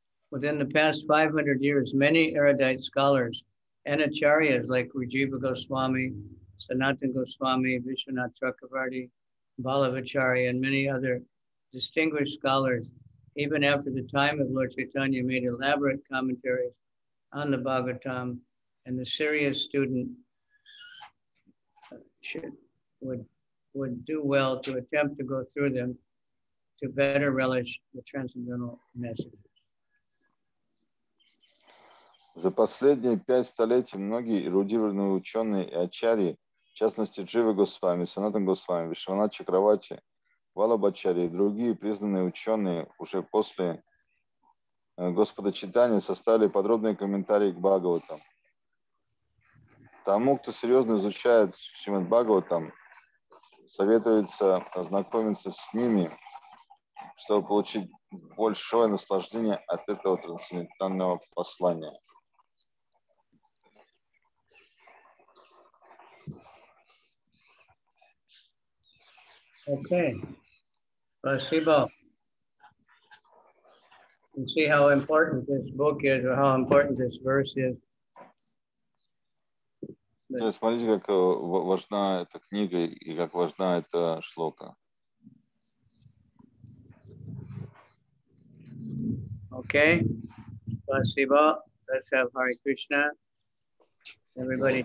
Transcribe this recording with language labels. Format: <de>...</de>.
<en>Within the past 500 years, many erudite scholars and acharyas like Rajiva Goswami, Sanatan Goswami, Vishwanath Chakravarti, Balavacharya, and many other distinguished scholars, even after the time of Lord Chaitanya, made elaborate commentaries on the Bhagavatam, and the serious student would do well to attempt to go through them to better relish the transcendental messages.</en> <ru>За последние 5 столетий многие эрудированные ученые и ачарьи, в частности Джива Госвами, Санатан Госвами, Вишванат Чакравати, Валабачарьи и другие признанные ученые уже после Господа Читания составили подробные комментарии к Бхагаватам. Тому, кто серьезно изучает Шримад Бхагаватам, советуется ознакомиться с ними, чтобы получить большое наслаждение от этого трансцендентального послания.</ru> <en>Okay.</en> <ru>Спасибо.</ru> <en>You see how important this book is, or how important this verse is.</en> <ru>Смотрите, как важна эта книга и как важна эта шлока.</ru> <en>Okay.</en> <ru>Спасибо.</ru> <en>Let's have Hare Krishna. Everybody.</en>